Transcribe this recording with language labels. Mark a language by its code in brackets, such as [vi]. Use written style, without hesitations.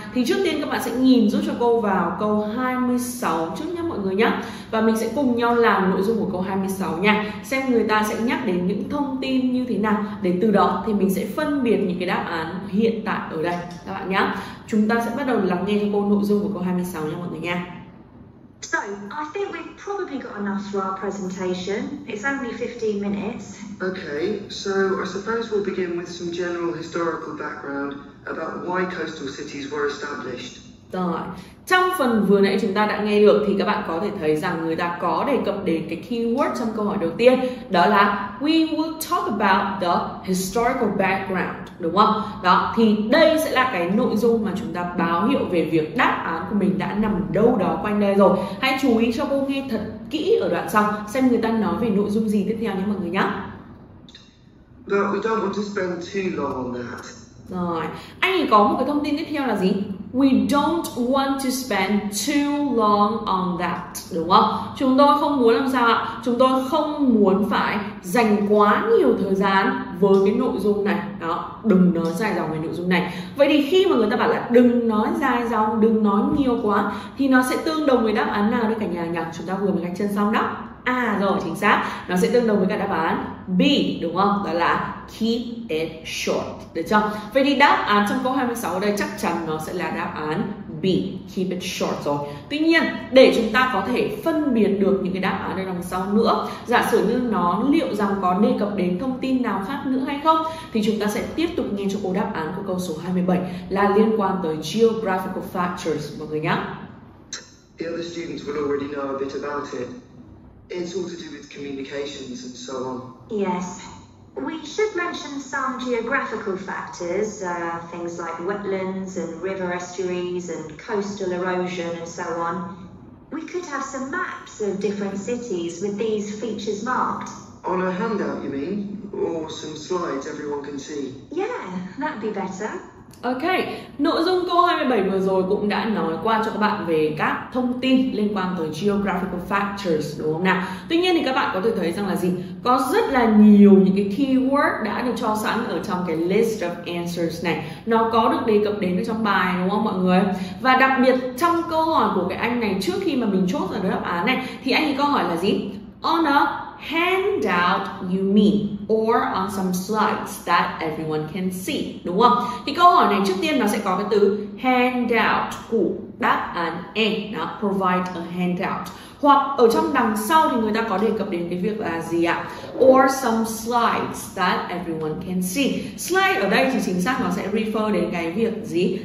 [vi] Thì trước tiên các bạn sẽ nhìn giúp cho cô vào câu 26 trước nhé mọi người nhé. Và mình sẽ cùng nhau làm nội dung của câu 26 nha, xem người ta sẽ nhắc đến những thông tin như thế nào, để từ đó thì mình sẽ phân biệt những cái đáp án hiện tại ở đây các bạn nhé. Chúng ta sẽ bắt đầu lắng nghe cho cô nội dung của câu 26 nha mọi người nha. [en] So, I think we've probably got enough for our presentation. It's only 15 minutes. Okay, so I suppose we'll begin with some general historical background about why coastal cities were established. [vi] Rồi. Trong phần vừa nãy chúng ta đã nghe được thì các bạn có thể thấy rằng người ta có đề cập đến cái keyword trong câu hỏi đầu tiên, đó là [en] we will talk about the historical background, [vi] đúng không? Đó, thì đây sẽ là cái nội dung mà chúng ta báo hiệu về việc đáp án của mình đã nằm đâu đó quanh đây rồi. Hãy chú ý cho cô nghe thật kỹ ở đoạn sau xem người ta nói về nội dung gì tiếp theo nhé mọi người nhé. [en] But we don't want to spend too long on that. [vi] Rồi, anh ấy có một cái thông tin tiếp theo là gì? [en] We don't want to spend too long on that, [vi] đúng không? Chúng tôi không muốn làm sao ạ? Chúng tôi không muốn phải dành quá nhiều thời gian với cái nội dung này. Đó, đừng nói dài dòng về nội dung này. Vậy thì khi mà người ta bảo là đừng nói dài dòng, đừng nói nhiều quá, thì nó sẽ tương đồng với đáp án nào đây cả nhà nhỉ? Chúng ta vừa mới gạch chân xong đó. À rồi, chính xác. Nó sẽ tương đồng với cả đáp án B, đúng không? Đó là keep it short, được chưa? Vậy thì đáp án trong câu 26 ở đây chắc chắn nó sẽ là đáp án B, keep it short rồi. Tuy nhiên, để chúng ta có thể phân biệt được những cái đáp án ở đằng sau nữa, giả sử như nó liệu rằng có đề cập đến thông tin nào khác nữa hay không, thì chúng ta sẽ tiếp tục nghe cho cô đáp án của câu số 27 là liên quan tới geographical factors, mọi người nhé. [en] The other students will already know a bit about it. It's all to do with communications and so on. Yes. We should mention some geographical factors, things like wetlands and river estuaries and coastal erosion and so on. We could have some maps of different cities with these features marked. On a handout, you mean? Or some slides everyone can see? Yeah, that'd be better. [vi] Ok, nội dung câu 27 vừa rồi cũng đã nói qua cho các bạn về các thông tin liên quan tới geographical factors, đúng không nào? Tuy nhiên thì các bạn có thể thấy rằng là gì? Có rất là nhiều những cái keyword đã được cho sẵn ở trong cái list of answers này. Nó có được đề cập đến ở trong bài, đúng không mọi người? Và đặc biệt trong câu hỏi của cái anh này, trước khi mà mình chốt ra đáp án này, thì anh ấy có hỏi là gì? [en] On a handout you mean, or on some slides that everyone can see, [vi] đúng không? Thì câu hỏi này trước tiên nó sẽ có cái từ handout của đáp án A, nó [en] provide a handout. [vi] Hoặc ở trong đằng sau thì người ta có đề cập đến cái việc là gì ạ? [en] Or some slides that everyone can see. [vi] Slide ở đây thì chính xác nó sẽ refer đến cái việc gì?